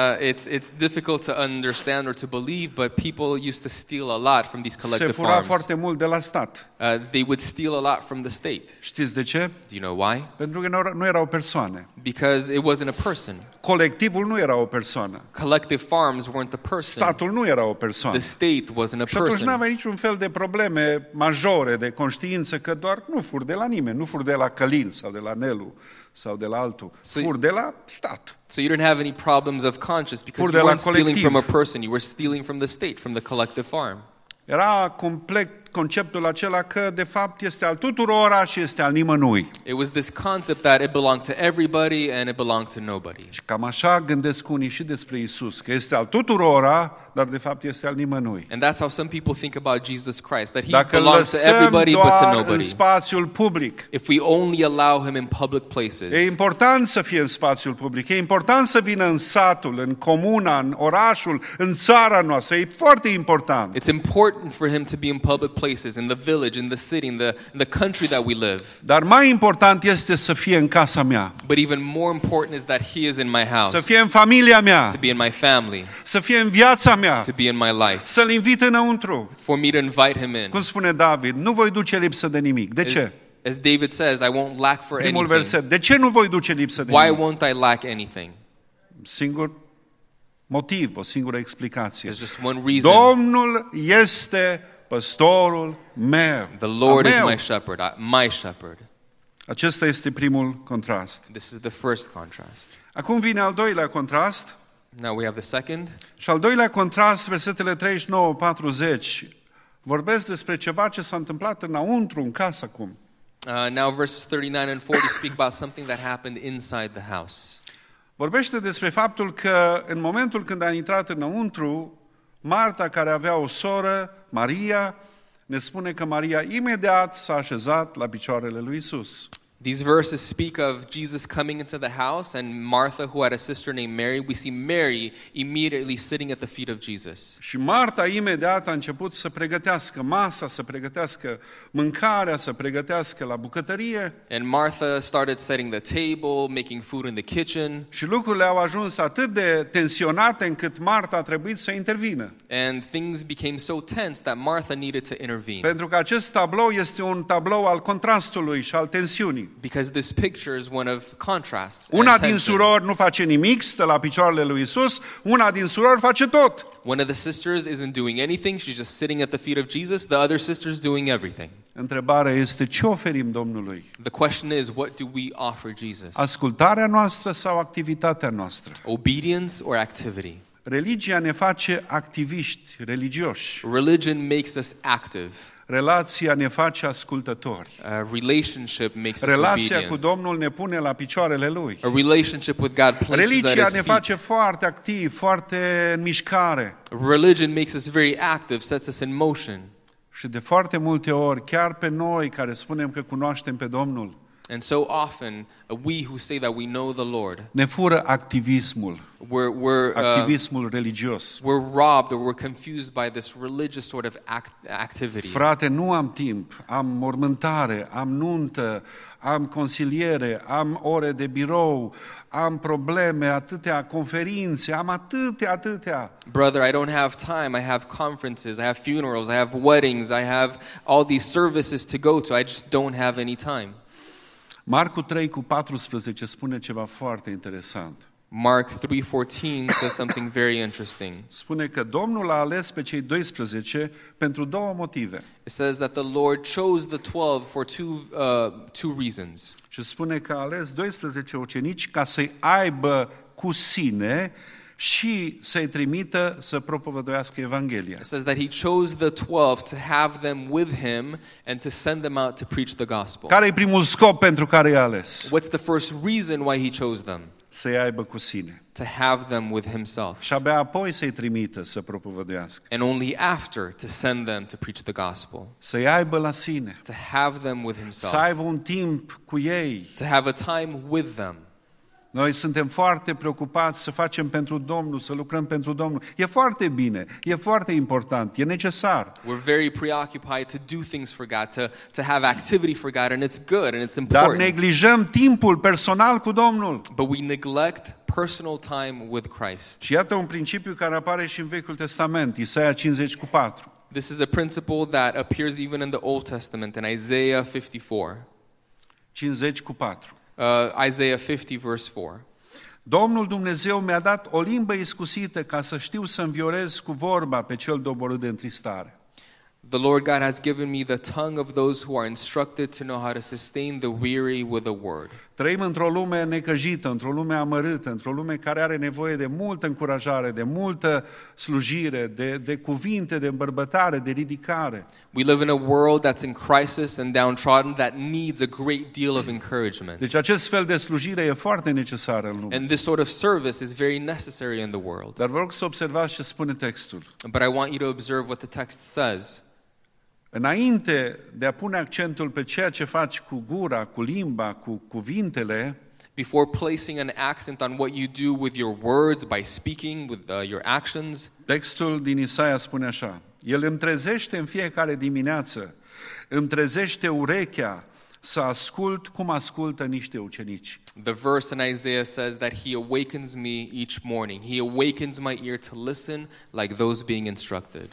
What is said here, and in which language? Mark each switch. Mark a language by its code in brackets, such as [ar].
[en] It's difficult to understand or to believe, but people used to steal a lot from these collective [ro] farms. Se fura [en] farms. [ro] Foarte mult de la stat. [en] They would steal a lot from the state. [ro] Știți de ce? [en] Do you know why? [ro] Pentru că nu erau persoane. [en] Because it wasn't a person. [ro] Colectivul nu era o persoană. [en] Collective farms weren't a person. [ro] Statul nu era o persoană. [en] The state wasn't a person. [ro] Și atunci n-avea niciun fel de probleme majore de conștiință că doar nu fur de la nimeni, nu fur de la Călin sau de la Nelu sau de la altul, fur de la stat. [en] So you didn't have any problems of conscience because you weren't stealing from a person, you were stealing from the state, from the collective farm. [ro] Era complet conceptul acela că de fapt este al tuturora și este al nimănui. [en] It was this concept that it belonged to everybody and it belonged to nobody. [ro] Și cam așa gândesc unii și despre Iisus, că este al tuturora, dar de fapt este al nimănui. [en] And that's how some people think about Jesus Christ, that he [ro] dacă [en] belongs to everybody but to nobody. [ro] În spațiul public. [en] If we only allow him in public places. [ro] E important să fie în spațiul public. E important să vină în satul, în comuna, în orașul, în țara noastră. E foarte important. [en] It's important for him to be in public places, in the village, in the city, in the country that we live. [ro] Dar mai important este să fie în casa mea. [en] But even more important is that he is in my house. [ro] Să fie în familia mea. [en] To be in my family. [ro] Să fie în viața mea. [en] To be in my life. [ro] Să-l invit înăuntru. [en] For me to invite him in. [ro] Cum spune David, nu voi duce lipsă de nimic. De ce? [en] As David says, I won't lack for [ro] primul [en] anything. [ro] Verset, de ce nu voi duce lipsă de [en] Why [ro] nimic? [en] Why won't I lack anything? [ro] Singur motiv, o singură explicație. [en] There's just one reason. [ro] Domnul este Pastorul meu. [en] The Lord is my shepherd, my shepherd. [ro] Acesta este primul contrast. [en] This is the first contrast. [ro] Acum vine al doilea contrast. [en] Now we have the second. [ro] Și al doilea contrast, versetele 39-40, vorbesc despre ceva ce s-a întâmplat înăuntru, în casă acum. [en] Now verses 39 and 40 speak about something that happened inside the house. [ro] Vorbește despre faptul că în momentul când a intrat înăuntru, Marta, care avea o soră, Maria, ne spune că Maria imediat s-a așezat la picioarele lui Iisus. [en] These verses speak of Jesus coming into the house and Martha, who had a sister named Mary. We see Mary immediately sitting at the feet of Jesus. [ro] Și Marta imediat a început să pregătească masa, să pregătească mâncarea, să pregătească la bucătărie. [en] And Martha started setting the table, making food in the kitchen. [ro] Și lucrurile au ajuns atât de tensionate încât Marta a trebuit să intervină. [en] And things became so tense that Martha needed to intervene. [ro] Pentru că acest tablou este un tablou al contrastului și al tensiunii. [en] Because this picture is one of contrast. [ro] Una din surori nu face nimic, stă la picioarele lui Iisus, una din surori face tot. [en] One of the sisters isn't doing anything, she's just sitting at the feet of Jesus, the other sister's doing everything. [ro] Întrebarea este ce oferim Domnului? [en] The question is what do we offer Jesus? [ro] Ascultarea noastră sau activitatea noastră? [en] Obedience or activity? [ro] Religia ne face activiști, religioși. [en] Religion makes us active. [ro] Relația ne face ascultători. [en] A relationship makes us [ro] relația [en] obedient. [ro] Cu Domnul ne pune la picioarele Lui. [en] A relationship with God places [ro] religia [en] us at [ro] ne [en] his [ro] face [en] feet. [ro] Foarte activ, foarte în mișcare. [en] Religion makes us very active, sets us in motion. [ro] Și de foarte multe ori, chiar pe noi care spunem că cunoaștem pe Domnul, [en] and so often, we who say that we know the Lord, [ro] ne fură activismul, activismul religios. [en] We're robbed or we're confused by this religious sort of activity. [ro] Frate, nu am timp, am mormântare, am nuntă, am consiliere, am ore de birou, am probleme, atâtea conferințe, am atâtea. [en] Brother, I don't have time, I have conferences, I have funerals, I have weddings, I have all these services to go to, I just don't have any time. [ro] Marcu 3:14 spune ceva foarte interesant. [en] Mark 3:14 says something very interesting. [ro] Spune că Domnul a ales pe cei 12 pentru două motive. [en] It says that the Lord chose the 12 for two reasons. [ro] Și spune că a ales 12 ucenici ca să-i aibă cu sine și să-i trimită să propovăduiască Evanghelia. [en] It says that he chose the 12 to have them with him and to send them out to preach the gospel. [ro] Care e primul scop pentru care i-a ales? [en] What's the first reason why he chose them? [ro] Să-i aibă cu sine. [en] To have them with himself. [ro] Și abia apoi să-i trimită să propovăduiască. [en] And only after to send them to preach the gospel. [ro] Să-i aibă la sine. [en] To have them with himself. [ro] Să aibă un timp cu ei. [en] To have a time with them. [ro] Noi suntem foarte preocupați să facem pentru Domnul, să lucrăm pentru Domnul. E foarte bine, e foarte important, e necesar. [en] We're very preoccupied to do things for God, to have activity for God, and it's good and it's important. [ro] Dar neglijăm timpul personal cu Domnul. [en] But we neglect personal time with Christ. [ro] Și iată un principiu care apare și în Vechiul Testament, Isaia 50:4. [en] This is a principle that appears even in the Old Testament in Isaiah 54. [ro] 50:4. [en] Isaiah 50:4. [ro] Domnul Dumnezeu mi-a dat o limbă iscusită ca să știu să înviorez cu vorba pe cel doborât de întristare. [en] The Lord God has given me the tongue of those who are instructed to know how to sustain the weary with a word. [ro] Trăim într-o lume necăjită, într-o lume amărâtă, într-o lume care are nevoie de multă încurajare, de multă slujire, de cuvinte, de îmbărbătare, de ridicare. [en] We live in a world that's in crisis and downtrodden that needs a great deal of encouragement. [ro] Deci acest fel de slujire e foarte necesară în lume. [en] And this sort of service is very necessary in the world. [ro] Dar vă rog să observați ce spune textul. [en] But I want you to observe what the text says. [ro] Înainte de a pune accentul pe ceea ce faci cu gura, cu limba, cu cuvintele, [en] before placing an accent on what you do with your words, by speaking, with your actions, [ro] textul din Isaia spune așa: El îmi trezește în fiecare dimineață, îmi trezește urechea să ascult cum ascultă niște ucenici. [en] The verse in Isaiah says that he awakens me each morning. He awakens my ear to listen like those being instructed.